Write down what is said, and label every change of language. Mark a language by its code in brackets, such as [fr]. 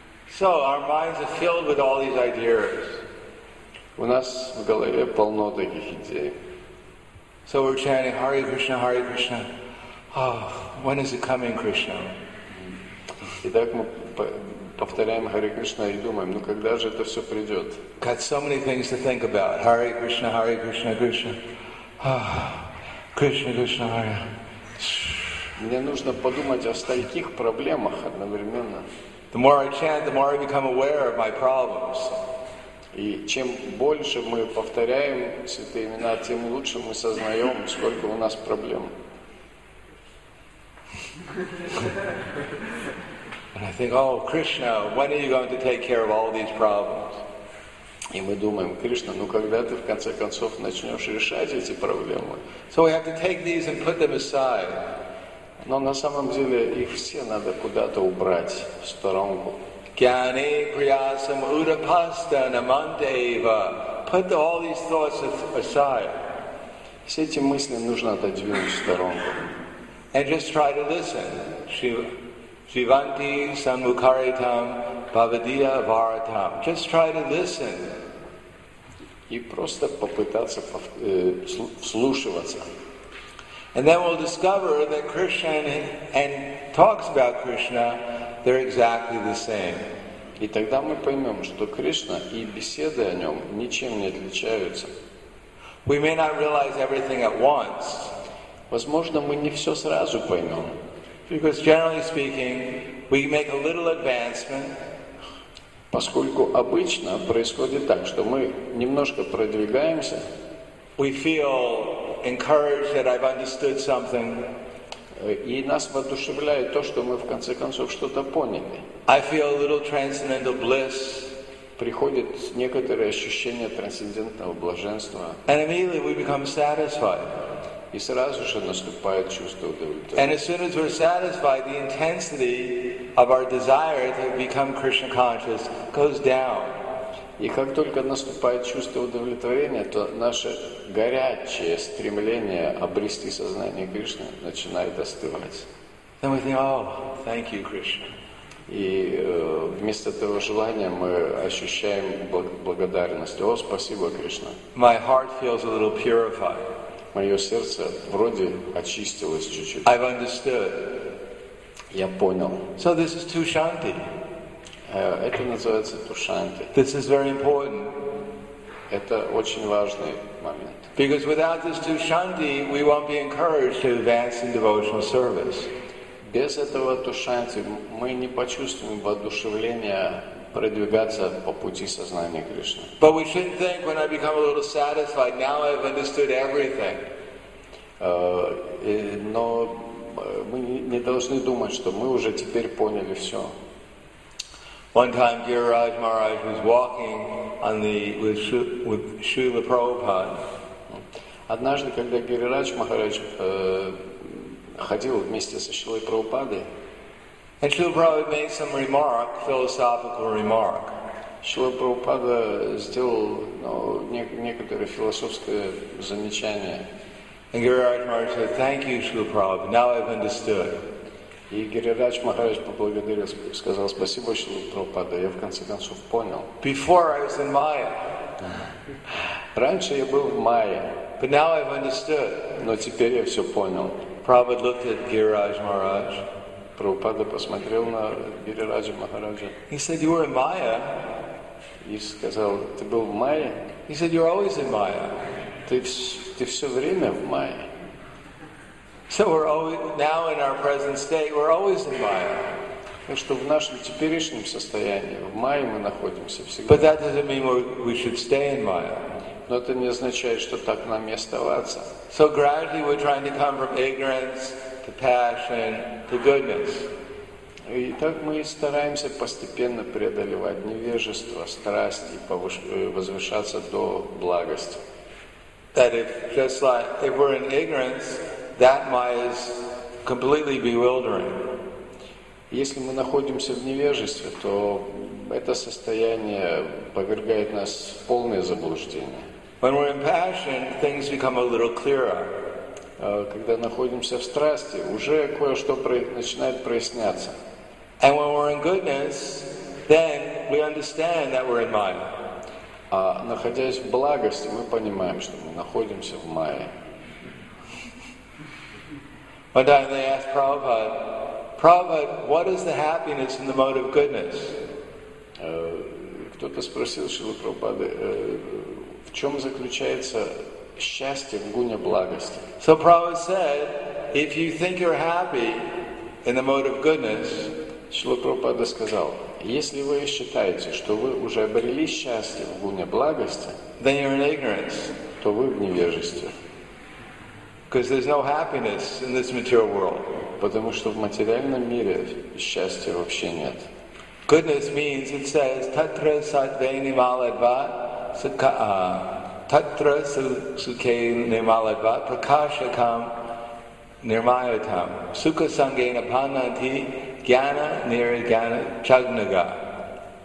[en] So our minds are filled with all these ideas. [ru] У нас в голове полно таких идей. [en] So we're chanting Hare Krishna, Hare Krishna. Oh, when is it coming, Krishna? [ru] Итак, мы повторяем Hare Krishna и думаем, ну когда же это все придет? [en] Got so many things to think about. Hare Krishna, Hare Krishna, Krishna. Oh, Krishna, Krishna, Hare. [ru] Мне нужно подумать о стольких проблемах одновременно. [en] The more I chant, the more I become aware of my problems. [ru] И чем больше мы повторяем святые имена, тем лучше мы сознаем, сколько у нас проблем. [en] And I think, oh, Krishna, when are you going to take care of all these problems? [ru] И мы думаем, Кришна, ну когда ты в конце концов начнешь решать эти проблемы? [en] So we have to take these and put them aside. [ru] Но на самом деле их все надо куда-то убрать в сторонку. [sa] Gyane priyasam udapasta namandeva. [en] Put all these thoughts aside. [ru] Все эти мысли нужно отодвинуть в сторонку. [en] And just try to listen. [sa] Shivanti samukaritam bhavadiya varatam. [en] Just try to listen. [ru] И просто попытаться вслушиваться. [en] And then we'll discover that Krishna and talks about Krishna, they're exactly the same. [ru] И тогда мы поймем, что Кришна и беседы о нем ничем не отличаются. [en] We may not realize everything at once. [ru] Возможно, мы не все сразу поймем. [en] Because generally speaking, we make a little advancement. [ru] Поскольку обычно происходит так, что мы немножко продвигаемся. [en] We feel encouraged that I've understood something. [ru] И нас воодушевляет то, что мы в конце концов что-то поняли. [en] I feel a little transcendental bliss. [ru] Приходит некоторое ощущение трансцендентного блаженства. [en] And immediately we become satisfied. [ru] И сразу же наступает чувство удовлетворения. [en] And as soon as we're satisfied, the intensity of our desire to become Krishna conscious goes down. [ru] И как только наступает чувство удовлетворения, то наше горячее стремление обрести сознание Кришны начинает остывать. [en] Then we think, oh, thank you, Krishna. [ru] И вместо этого желания мы ощущаем благодарность. О, спасибо, Кришна. [en] My heart feels a little purified. [ru] Мое сердце вроде очистилось чуть-чуть. [en] I've understood. [ru] Я понял. [en] So this is tushanti. [ru] Это называется тушанти. [en] This is very important. [ru] Это очень важный момент. [en] Because without this tushanti, we won't be encouraged to advance in devotional service. [ru] Без этого тушанти мы не почувствуем воодушевления продвигаться по пути сознания Кришны. [en] But we shouldn't think when I become a little satisfied, now I've understood everything. [ru] Но мы не должны думать, что мы уже теперь поняли все. [en] One time Giriraj Maharaj was walking on the with Srila Prabhupada. [ru] Однажды, когда Гирирадж Махарадж ходил вместе со Шрилой Прабхупадой, [en] and Srila Prabhupada made some remark, philosophical remark. [ru] Srila Prabhupada сделал некоторое философское замечание. [en] And Giriraj Maharaj said, thank you, Srila Prabhupada, now I've understood. [ru] И Гирирадж Махарадж поблагодарил, сказал, спасибо, Шрила Прабхупада, я в конце концов понял. [en] Before I was in Maya. [ru] Раньше я был в Майе. [en] But now I've understood. [ru] Но теперь я все понял. [en] Prabhupada looked at Giriraj Maharaj. [ru] Прабхупада посмотрел на Гирираджа Махараджа. [en] He said, you were in Maya. [ru] И сказал, ты был в Майе? [en] He said, you're always in Maya. [ru] Ты все время в Майе. [en] So we're always now in our present state, we're always in Maya. [ru] Потому что в нашем теперешнем состоянии, в Майе мы находимся всегда. [en] But that doesn't mean we should stay in Maya. [ru] Но это не означает, что так нам и оставаться. [en] So gradually we're trying to come from ignorance to passion, to goodness. [ru] И так мы стараемся постепенно преодолевать невежество, страсть и возвышаться до благости. [en] That if just like if we're in ignorance, that Maya is completely bewildering. [ru] Если мы находимся в невежестве, то это состояние повергает нас в полное заблуждение. [en] When we're in passion, things become a little clearer. [ru] Когда находимся в страсти, уже кое-что начинает проясняться. [en] And when we're in goodness, then we understand that we're in Maya. [ru] А находясь в благости, мы понимаем, что мы находимся в Майе. [en] One time they asked Prabhupada, Prabhupada, what is the happiness in the mode of goodness? [ru] Кто-то спросил Шрилу Прабхупаду, в чем заключается счастье в гуне благости? [en] So Prabhupada said, if you think you're happy in the mode of goodness, [ru] Шрила Прабхупада сказал, если вы считаете, что вы уже обрели счастье в гуне благости, [en] then you're in ignorance. [ru] То вы в невежестве. [en] Because there's no happiness in this material world. [ru] Потому что в материальном мире счастья вообще нет. [en] Goodness means, it says, [sa] tatra sattve nimaladva sukha, tatra sukhe nimaladva prakashakam nirmayatam sukha sangena panati jnana nirjnana chagnaga.